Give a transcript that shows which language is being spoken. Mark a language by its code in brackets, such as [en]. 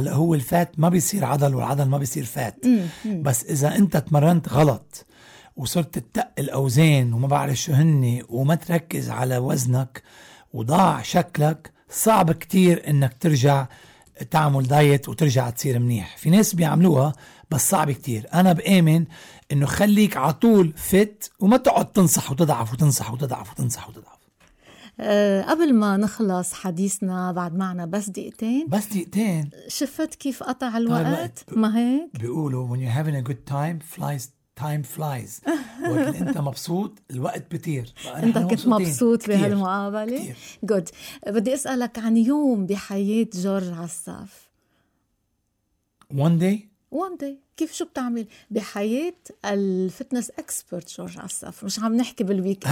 [ar] هلأ هو الفات ما بيصير عضل والعضل ما بيصير فات. بس إذا أنت تمرنت غلط وصرت تتق الأوزان وما بعرف شو هني، وما تركز على وزنك وضاع شكلك، صعب كتير إنك ترجع تعمل دايت وترجع تصير منيح. في ناس بيعملوها بس صعب كتير. أنا بآمن إنه خليك عطول فت، وما تقعد تنصح وتضعف وتنصح وتضعف وتنصح وتضعف. قبل ما نخلص حديثنا، بعد معنا بس دقيقتين. بس دقيقتين، شفت كيف قطع الوقت؟ ما هيك [en] بيقولوا، when you're having a good time flies، time flies. [ar] وكل انت مبسوط الوقت بتير. انت كنت مبسوط بهالمقابلة. [en] good. [ar] بدي اسألك عن يوم بحياة جورج عساف. [en] One day. [ar] كيف شو بتعمل بحياة الفتنس اكسبرت جورج عساف؟ مش عم نحكي بالويكند.